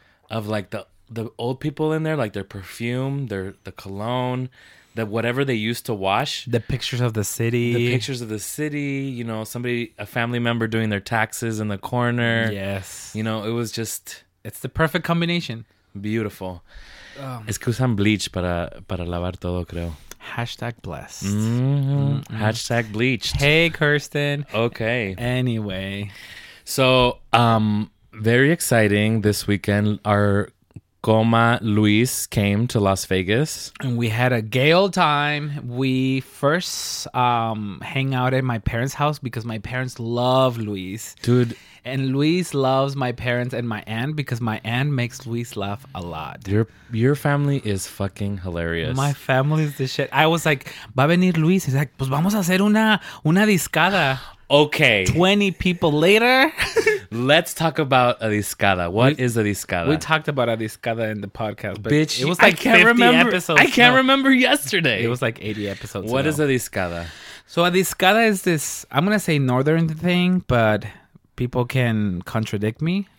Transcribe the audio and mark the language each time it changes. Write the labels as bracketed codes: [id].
[en] of like the old people in there, like their perfume, the cologne, the whatever they used to wash. The pictures of the city. The pictures of the city, you know, somebody, a family member doing their taxes in the corner. Yes. You know, it was just... It's the perfect combination. Beautiful. [es] Es que usan bleach para lavar todo, creo. [en] Hashtag blessed. Hashtag bleached. Hey, Kirsten. Okay. Anyway. So, very exciting this weekend. Our Coma Luis came to Las Vegas. And we had a gay old time. We first hang out at my parents' house because my parents love Luis. Dude. And Luis loves my parents and my aunt because my aunt makes Luis laugh a lot. Your family is fucking hilarious. My family is the shit. I was like, [es] va a venir Luis. [en] He's like, [es] pues vamos a hacer una discada. [en] Okay. 20 people later. Let's talk about a discada. What is a discada? We talked about a discada in the podcast, but bitch, it was like 50 remember. Episodes. I can't remember yesterday. It was like 80 episodes. What is a discada? So a discada is this, I'm going to say northern thing, but people can contradict me.